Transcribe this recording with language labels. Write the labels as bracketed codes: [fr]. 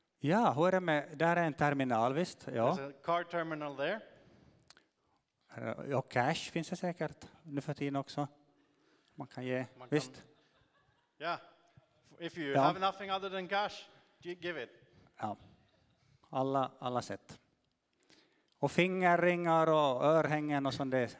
[sv] Ja, hur är det med, där är en terminal visst. Ja. [en] There's a card terminal there. [sv] Ja, cash finns det säkert nu för tiden också. Man kan ge, visst. [en] Ja, if you have nothing other than cash, give it. [sv] Ja, alla sätt. Och fingerringar och örhängen och sånt där.